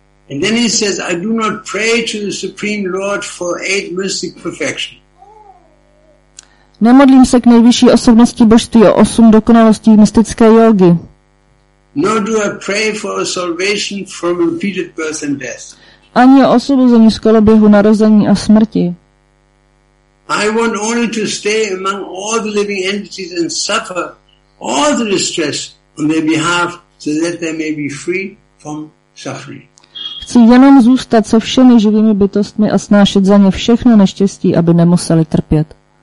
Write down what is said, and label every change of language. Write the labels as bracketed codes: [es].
[en] And then he says, I do not pray to the Supreme Lord for eight mystic perfections. [cs] Nemodlím se k nejvyšší osobnosti božství o osm dokonalostí mystické jógy. [en] Nor do I pray for salvation from repeated birth and death. [cs] Ani o osvobození z koloběhu narození a smrti. [en] I want only to stay among all the living entities and suffer all the distress on their behalf so that they may be free from suffering. [cs] Chci jenom zůstat se všemi živými bytostmi a snášet za ně všechno neštěstí, aby nemuseli trpět.